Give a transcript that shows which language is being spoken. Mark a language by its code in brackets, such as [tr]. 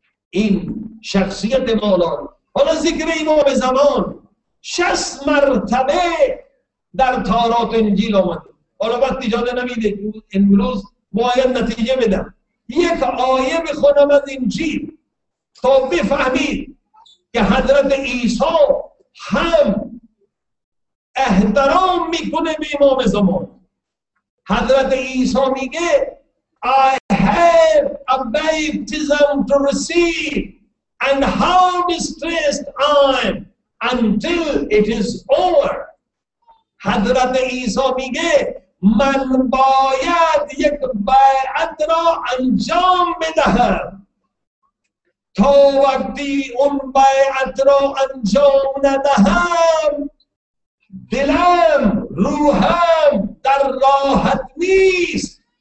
[fa] این شخصیت مولا. حالا ذکر امام زمان 60 مرتبه در تورات انجیل آمده. حالا وقتی جان نمیده امروز باید نتیجه بدم, یک آیه میخونم از انجیل تا بفهمید که حضرت عیسی هم احترام میکنه به امام زمان. حضرت عیسی میگه [en] I have a baptism to receive and how distressed I am until it is over. [fa] حضرت عیسی میگه من باید یک بیعت را انجام بدهم. تا وقتی اون بیعت را انجام ندهم دلم روحم در راحت نیست.